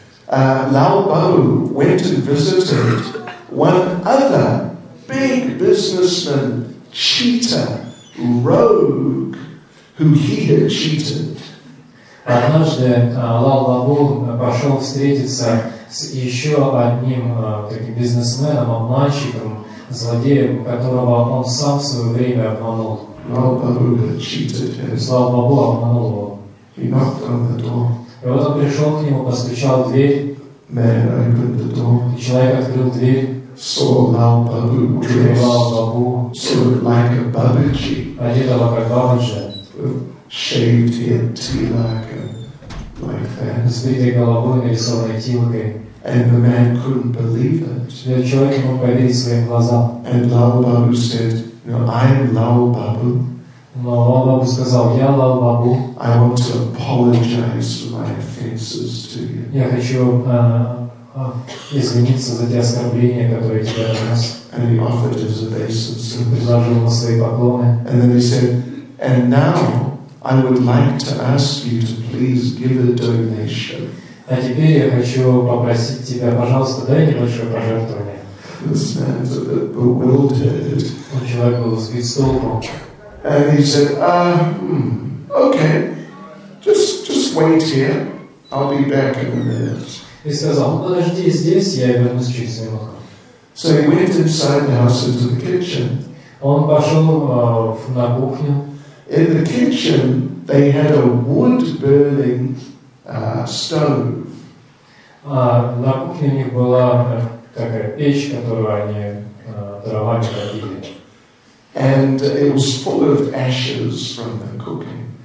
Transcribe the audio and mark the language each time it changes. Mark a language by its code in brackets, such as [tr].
[en] Лао Бао went and visited one other big businessman, cheater, rogue, who he had cheated. [ru] Однажды Лао Бао пошел встретиться с еще одним таким бизнесменом, обманщиком, злодеем, которого он сам в свое время обманул. [en] Лао Бао had cheated him. [ru] Лао Бао обманул его. [en] He knocked on the door. [ru] И вот он пришел к нему, постучал в дверь. [en] Man opened the door. [ru] И человек открыл дверь. [en] Saw Lao Babu dressed sort of like a Babaji. [ru] Одетого как Бабаджи. [en] Shaved head, tilak, like that. [ru] С бритой головой, нарисованной тилкой. [en] And the man couldn't believe it. [ru] И человек не мог поверить своим глазам. [en] And Lao Babu said, "No, I am Lao Babu." [ru] Но Лао Бао сказал, я Лао Бао. [en] I want to apologize for my offenses to you. [ru] Я хочу извиниться за те оскорбления, которые тебе нанес. [en] And he offered his obeisances. [ru] Предложил ему свои поклоны. [en] And then he said, and now I would like to ask you to please give a donation. [ru] А теперь я хочу попросить тебя, пожалуйста, дай небольшое пожертвование. [en] This man's a bit bewildered. [ru] Он человек был сбит с толку. [en] And he said, okay, just wait here. I'll be back in a minute. [ru] И сказал, подожди здесь, я вернусь через минуту. [en] So he went inside the house into the kitchen. [ru] Он пошел на кухню. [en] In the kitchen, they had a wood-burning stove. [ru] На кухне у них была такая печь, которую они дровами топили. [en] And it was full of ashes from the cooking.